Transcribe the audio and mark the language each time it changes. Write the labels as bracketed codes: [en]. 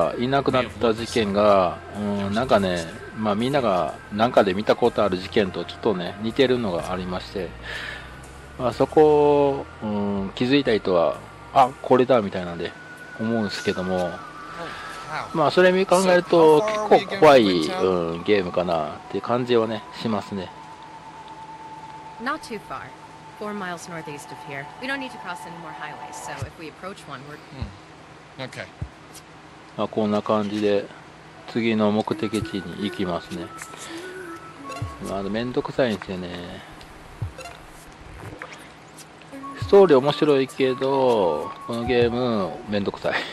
[ja] サミーがあんまり言うとあれやけど、サミーがいなくなった事件が、なんかね、まあみんながなんかで見たことある事件とちょっとね似てるのがありまして、まあそこを、気づいた人はあこれだみたいなんで思うんですけども、まあそれ見考えると結構怖い、ゲームかなって感じはねしますね。 [en] Not too far. 4 miles northeast of here. We don't need to cross any more highways, so if we approach one, we're... Okay. [ja] まあこんな感じで次の目的地に行きますね。まあ、めんどくさいんですよね。ストーリー面白いけど、このゲームめんどくさい。